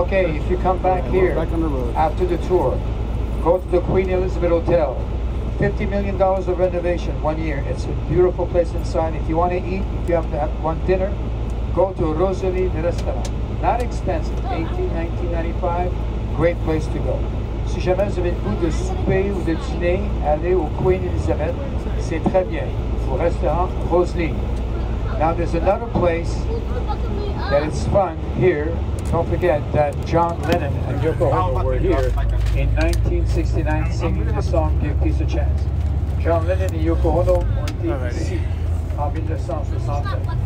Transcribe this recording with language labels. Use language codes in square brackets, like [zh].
[en] Okay, if you come back here after the tour, go to the Queen Elizabeth Hotel. $50 million of renovation, 1 year. It's a beautiful place inside. If you want to eat, if you have to have one dinner, go to Rosalie Restaurant. Not expensive, $18.95. Great place to go. [fr] Si jamais vous avez le goût de souper ou de dîner, allez au Queen Elizabeth. C'est très bien. Au restaurant Roselyne. [en] Now there's another place that is fun here. Don't forget that John Lennon and Yoko Ono were here in 1969 singing the song Give Peace a Chance. [fr] John Lennon and Yoko Ono ont été ici en 1969.